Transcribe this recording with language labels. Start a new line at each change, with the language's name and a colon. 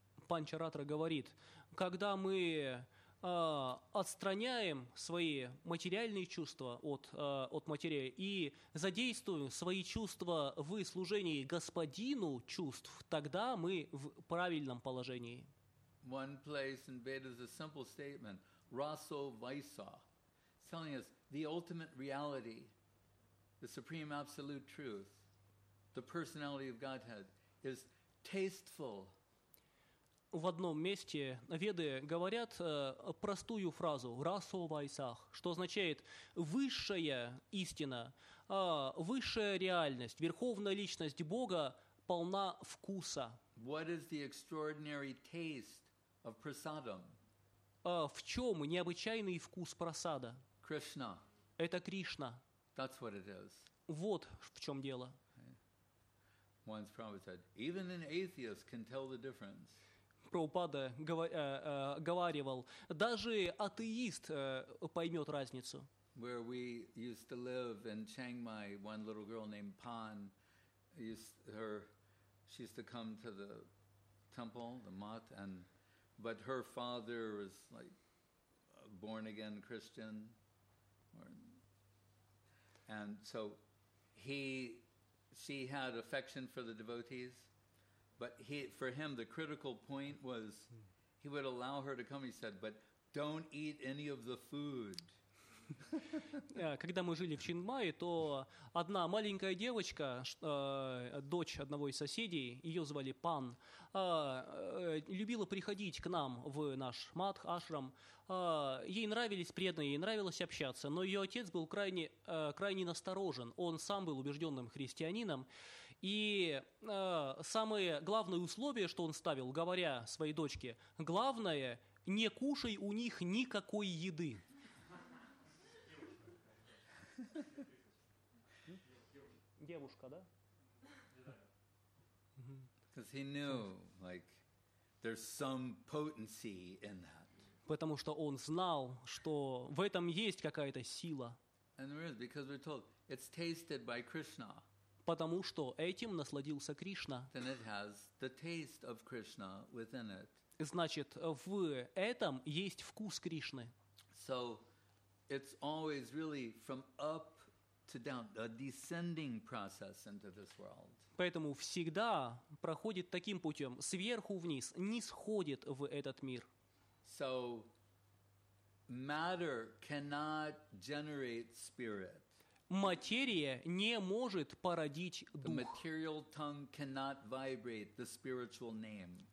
Russian: Панчаратра говорит, когда мы отстраняем свои материальные чувства от материи и задействуем свои чувства в служении господину чувств, тогда мы в правильном положении.
English: One place in Veda is a simple statement,
Sanskrit: raso vaisa.
English: It's telling us the ultimate reality, the supreme absolute truth, the personality of Godhead is tasteful.
Russian: В одном месте Веды говорят простую фразу,
Sanskrit: raso vaisa,
Russian: что означает высшая истина, высшая реальность, верховная личность Бога полна вкуса.
English: What is the extraordinary taste? Of prasadam.
Russian: В чем необычайный вкус прасада?
English: Krishna.
Russian: Это Кришна.
English: That's what it is.
Russian: Вот в чем дело.
English: Okay. Once Prabhupada said, even an atheist can tell the difference.
Russian: Прабхупада говаривал, даже атеист поймет разницу.
English: Where we used to live in Chiang Mai, one little girl named Pan, she used to come to the temple, the mat, and but her father was like a born again Christian, and so she had affection for the devotees, but for him the critical point was he would allow her to come. He said, "But don't eat any of the food."
Russian: Когда мы жили в Чинмае, то одна маленькая девочка, дочь одного из соседей, ее звали Пан, любила приходить к нам в наш матх, ашрам. Ей нравились преданные, ей нравилось общаться, но ее отец был крайне насторожен. Он сам был убежденным христианином. И самое главное условие, что он ставил, говоря своей дочке, главное, не кушай у них никакой еды. Девушка, да?
English: Because he knew, like, there's some potency in that.
Russian: Потому что он знал, что в этом есть какая-то сила.
English: And there is, because we're told it's tasted by Krishna.
Russian: Потому что этим насладился Кришна.
English: Then it has the taste of Krishna within it.
Russian: Значит, в этом есть вкус Кришны.
English: So it's always really from up to down, a descending process into this world.
Russian: Поэтому всегда проходит таким путем, сверху вниз, нисходит в этот мир.
English: So, matter cannot generate spirit.
Russian: Материя не может породить дух.
English: The material tongue cannot vibrate the spiritual name.